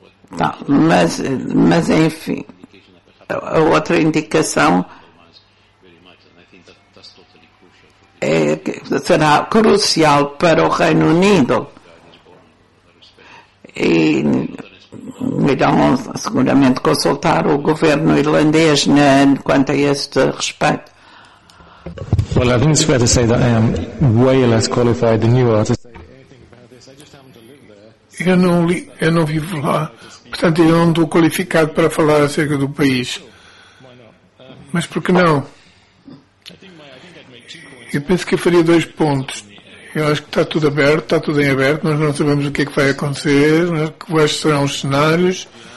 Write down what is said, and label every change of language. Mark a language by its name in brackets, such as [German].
[Portuguese] Não, mas, enfim, a outra indicação é que será crucial para o Reino Unido e irão seguramente consultar o governo irlandês quanto a este respeito. [English] Well, I think it's fair to say that I am way less qualified than you are to say anything about this. I just happen to live there. [Portuguese] Eu não vivo lá, portanto eu não estou qualificado para falar acerca do país. Mas por que não? Eu penso que eu faria dois pontos. Eu acho que está tudo aberto, está tudo em aberto. Nós não sabemos o que é que vai acontecer, quais serão os cenários.